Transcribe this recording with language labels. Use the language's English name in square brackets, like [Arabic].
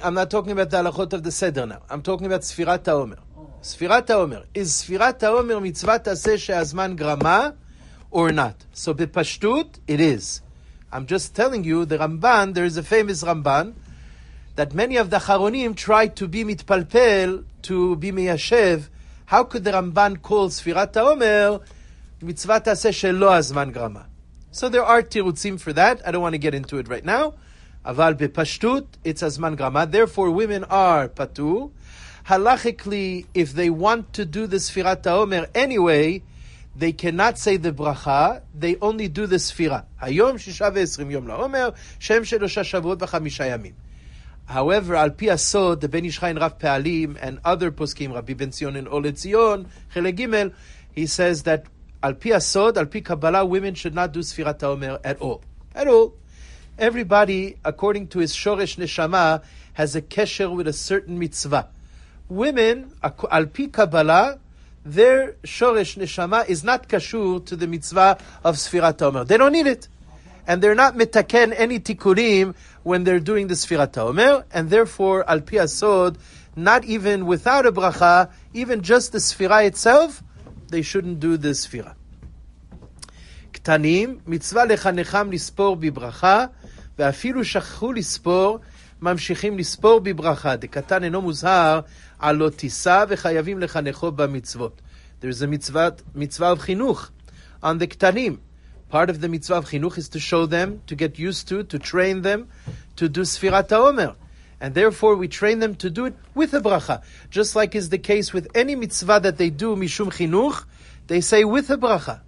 [English] about the halachot of the seder now. I'm talking about ספירת העומר. [Hebrew] ספירת העומר. [English] Is ספירת העומר מצוות עשה שהזמן גרמה or not? So בפשטות, it is. I'm just telling you, the Ramban, there is a famous Ramban, that many of the Charonim tried to be mitpalpel, to be miyashev. How could the Ramban call ספירת העומר מצוות עשה שלא הזמן גרמה? So there are תירוצים for that. I don't want to get into it right now. [Hebrew] אבל בפשטות, it's הזמן גרמה. [English] Therefore, women are פטור. Halachically, if they want to do the ספירת העומר anyway, they cannot say the bracha, they only do the ספירה. [Hebrew] היום שישה ועשרים יום לעומר, שם שלושה שבועות וחמישה ימים. [English] However, על פי הסוד, the בן איש חי רב פעלים, and other פוסקים, רבי בן ציון אין עולה ציון, חלק גימל, he says that על פי הסוד, על פי קבלה, women should not do ספירת העומר at all. At all. Everybody, according to his שורש נשמה, has a קשר with a certain מצווה. Women, על פי קבלה, their שורש נשמה is not קשור to the מצווה of ספירת העומר. They don't need it. And they're not מתקן any תיקונים when they're doing the ספירת העומר. And therefore, על פי הסוד, not even without a ברכה, even just the ספירה itself, they shouldn't do the ספירה. [Hebrew] קטנים, מצווה לחנכם לספור בברכה, ואפילו שכחו לספור, ממשיכים לספור בברכה. דקטן אינו מוזהר, על לא תיסה, וחייבים לחנכו במצוות. [English] There is a מצווה of חינוך. On the קטנים, part of the מצווה of חינוך is to show them, to get used to train them, to do ספירת העומר. And therefore we train them to do it with a bracha. Just like is the case with any mitzvah that they do mishum chinuch, they say with a bracha.